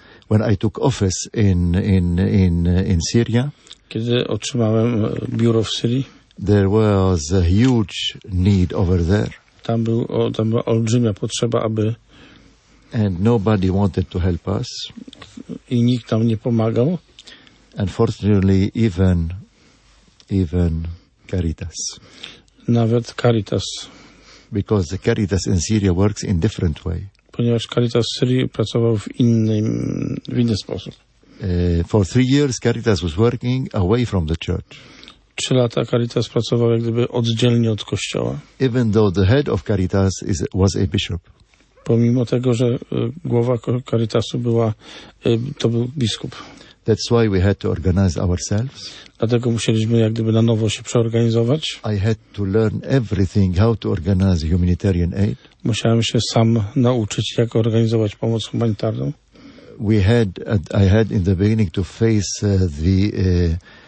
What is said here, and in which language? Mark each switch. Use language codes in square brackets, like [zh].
[en] When I took office in Syria. [pl] Kiedy otrzymałem biuro w Syrii. [en] There was a huge need over there. [pl] Tam była olbrzymia potrzeba, aby. [en] And nobody wanted to help us. [pl] I nikt tam nie pomagał. [en] Unfortunately even Caritas. [pl] Nawet Caritas. [en] Because the Caritas in Syria works in different way. [pl] Ponieważ Caritas w Syrii pracował w inny sposób. [en] For 3 years Caritas was working away from the church. [pl] 3 lata Caritas pracował jak gdyby oddzielnie od kościoła. [en] Even though the head of Caritas was a bishop. [pl] Pomimo tego, że głowa Caritasu to był biskup. [en] That's why we had to organize ourselves. [pl] Dlatego musieliśmy jak gdyby na nowo się przeorganizować. [en] I had to learn everything how to organize humanitarian aid. [pl] Musiałem się sam nauczyć jak organizować pomoc humanitarną. [en] I had in the beginning to face the